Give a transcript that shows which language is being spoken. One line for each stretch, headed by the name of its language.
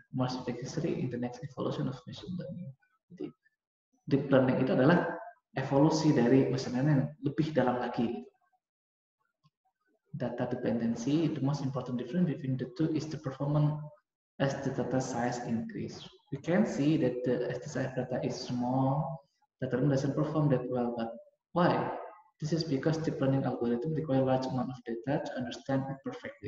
English: More specifically in the next evolution of machine learning.
Indonesian: Jadi, deep learning itu adalah evolusi dari machine learning lebih dalam lagi.
English: Data dependency, the most important difference between the two is the performance as the data size increase. We can see that the estimated size data is small, the term doesn't perform that well, but why? This is because deep learning algorithm require large amount of data to understand it perfectly.